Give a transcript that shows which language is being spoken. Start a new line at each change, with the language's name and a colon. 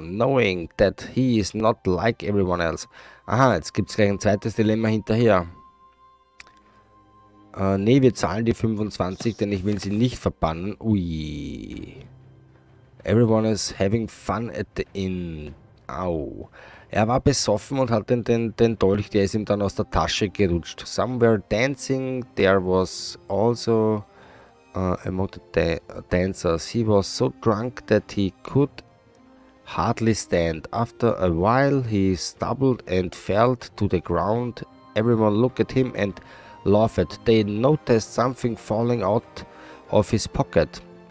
English: Knowing that he is not like everyone else.
German: Aha, jetzt gibt es gleich ein zweites Dilemma hinterher. Nee, wir zahlen die 25, denn ich will sie nicht verbannen. Ui.
English: Everyone is having fun at the inn. Au.
German: Er war besoffen und hat den Dolch, der ist ihm dann aus der Tasche gerutscht.
English: Somewhere dancing, there was also among the dancers. He was so drunk that he could hardly stand. After a while he stumbled and fell to the ground. Everyone looked at him and laughed. They noticed something falling out of his pocket.